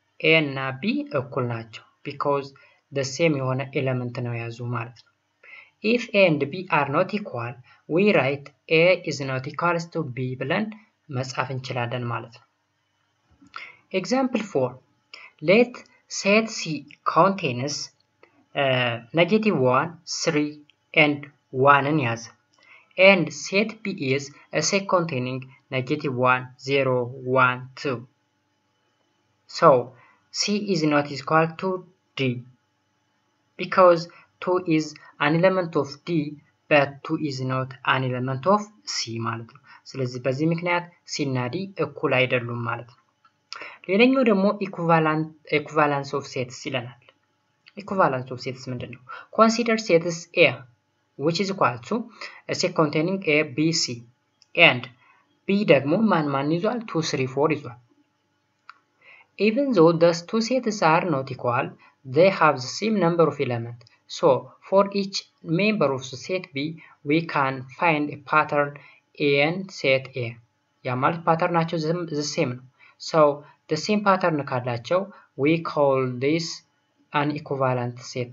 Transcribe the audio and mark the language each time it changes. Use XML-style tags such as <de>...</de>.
<am>A እና B እኩል ናቸው.</am> <en>Because the same</en> <am>የሆነ</am> <en>element</en> <am>ነው የያዙ ማለት ነው.</am> <en>If A and B are not equal, we write A is not equal to B</en> <am>ብለን መጻፍ እንችላለን ማለት ነው.</am> <en>Example 4. Let set C contains negative 1, 3 and 1</en> <am>ን ያዘ.</am> <en>And set B is a set containing negative 1, 0, 1, 2. So, C is not equal to D. Because 2 is an element of D, but 2 is not an element of C</en> <am>ማለት ነው. ስለዚህ በዚህ ምክንያት C እና D እኩል አይደሉም ማለት ነው. ሌላኛው ደግሞ</am> <en>equivalence of sets</en> <am>ይለናል.</am> <en>Equivalence of sets</en> <am>ምንድን ነው?</am> <en>Consider sets A, which is equal to a set containing A, B, C. And B</en> <am>ደግሞ ማን ማን ይዟል? 2, 3, 4 ይዟል.</am> <en>Even though those two sets are not equal, they have the same number of elements. So, for each member of set B, we can find a pattern in set A.</en> <am>Yamal</am> <en>pattern</en> <am>acho</am> <en>the same. So, the same pattern</en> <am>kallacho,</am> <en>we call this an equivalent set.</en>